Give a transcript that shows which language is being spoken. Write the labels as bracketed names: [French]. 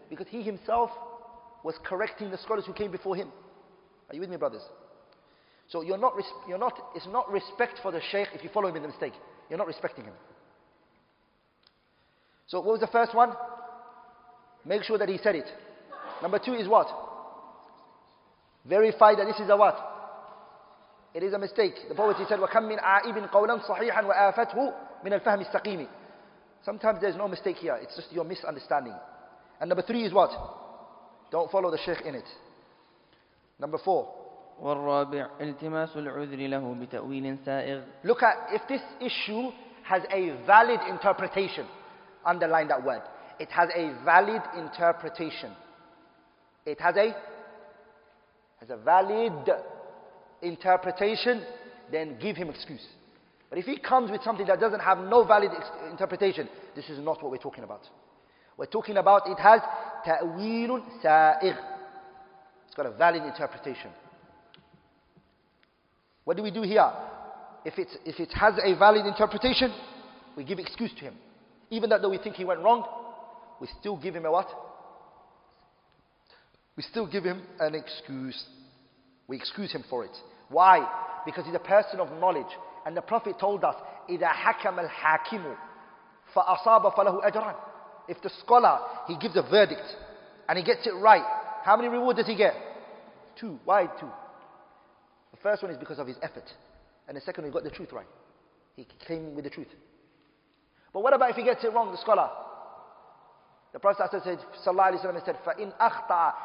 [English] Because he himself was correcting the scholars who came before him. Are you with me, brothers? So you're not. It's not respect for the sheikh if you follow him in the mistake. You're not respecting him. So what was the first one? Make sure that he said it. Number two is what? Verify that this is a what? It is a mistake. The poet said, [Arabic] وَكَمْ مِنْ عَائِبٍ قَوْلًا صَحِيحًا وَآفَتْهُ مِنَ الْفَهْمِ السَّقِيمِ. [English] Sometimes there's no mistake here. It's just your misunderstanding. And number three is what? Don't follow the sheikh in it. Number four. [Arabic] والرابع التماس العذر له بتأويل سائغ. [English] Look at if this issue has a valid interpretation. Underline that word. It has a valid interpretation. It has a valid interpretation. Then give him excuse. But if he comes with something that doesn't have no valid interpretation, this is not what we're talking about. We're talking about it has ta'wilun sa'igh. It's got a valid interpretation. What do we do here? If it has a valid interpretation, we give excuse to him. Even though we think he went wrong, we still give him a what? We still give him an excuse. We excuse him for it. Why? Because he's a person of knowledge. And the Prophet told us, [Arabic] إِذَا حَكَمَ الْحَاكِمُ فَأَصَابَ فَلَهُ أَجْرًا. [English] If the scholar, he gives a verdict and he gets it right, how many rewards does he get? Two. Why two? The first one is because of his effort. And the second, he got the truth right. He came with the truth. But what about if he gets it wrong, the scholar? The Prophet said, sallallahu alayhi wa sallam, he said, [Arabic] فَإِنْ أَخْطَعَ.